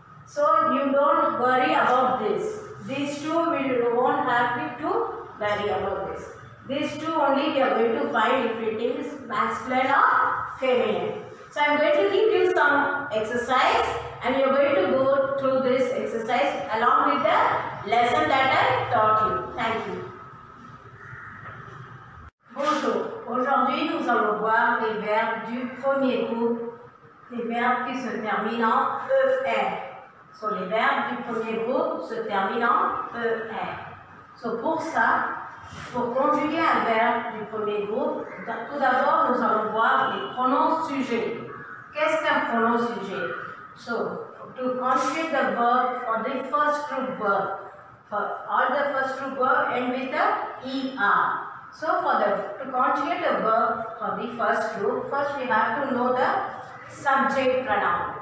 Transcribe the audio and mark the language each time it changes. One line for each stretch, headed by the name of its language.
English: So you don't worry about this. These two we won't have to worry about this. These two only we are going to find if it is masculine or feminine. So I am going to give you some exercise and you are going to go through this exercise along with the lesson that I taught you. Thank you.
French: Bonjour. Aujourd'hui nous allons voir les verbes du premier groupe, les verbes qui se terminent en ER. So les verbes du premier groupe se terminent en ER. So pour ça, pour conjuguer un verbe du premier groupe, tout d'abord nous allons voir les pronoms sujets. Qu'est-ce qu'un pronom sujet?
English: So, to conjugate the verb for the first group verb, for all the first group verb end with a ER. So, to conjugate a verb for the first group, first we have to know the subject pronoun.